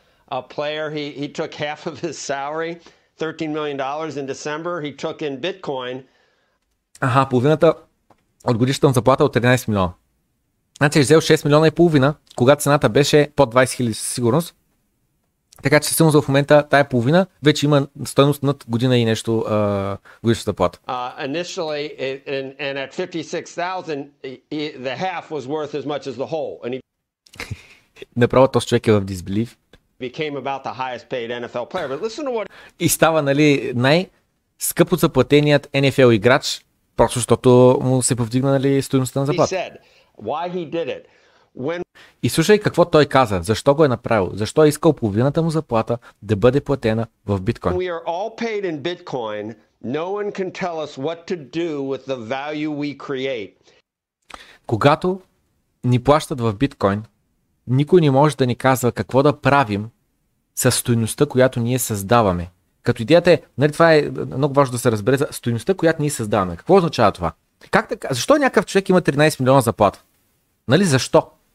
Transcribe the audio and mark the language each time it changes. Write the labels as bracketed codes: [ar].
[en] A player, he took half of his salary, $13 million in December, he took in Bitcoin. [bg] Аха, половината от годишната заплата от 13 милиона. Значи взел 6 милиона и половина, когато цената беше под 20 000 със сигурност. Така че съм за в момента тая половина вече има стойност над година и нещо годишната плата. [en] Initially and at 56,000 the half was worth as much as the whole. [bg] Направо този човек е в disbelief. [en] Became about the highest paid NFL player, but listen to what... [bg] И става, нали, най-скъпо заплатеният NFL играч, просто защото му се повдигна, нали, стойността на заплата. [en] He said why he did it. [bg] И слушай какво той каза, защо го е направил, защо е искал половината му заплата да бъде платена в биткоин. [en] We are all paid in Bitcoin. No one can tell us what to do with the value we create. [bg] Когато ни плащат в биткоин, никой не може да ни казва какво да правим със стойността, която ние създаваме. Като идеята е, нали, това е много важно да се разбере, за стойността, която ние създаваме. Какво означава това? Как така? Защо някакъв човек има 13 милиона заплата? Нали, защо?